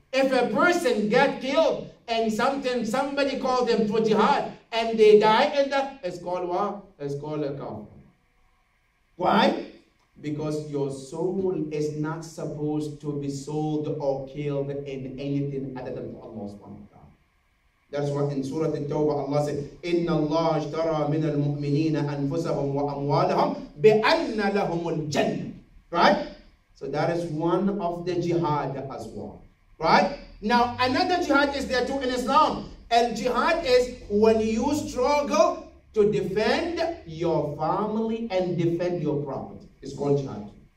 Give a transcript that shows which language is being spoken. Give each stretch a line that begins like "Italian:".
English: If a person get killed and sometimes somebody called them for jihad and they die in that, it's called what? It's called a kafir. Why? Because your soul is not supposed to be sold or killed in anything other than Allah subhanahu wa ta'ala. That's why in Surah Al-Tawbah Allah said,
Arabic: إِنَّ اللَّهَ اشْتَرَى مِنَ الْمُؤْمِنِينَ أَنفُسَهُمْ وَأَمْوَالَهُمْ بِأَنَّ لَهُمُ الْجَنَّةِ.
English: Right? So that is one of the jihad as well. Right? Now, another jihad is there too in Islam. And jihad is when you struggle to defend your family and defend your property. It's called jihad.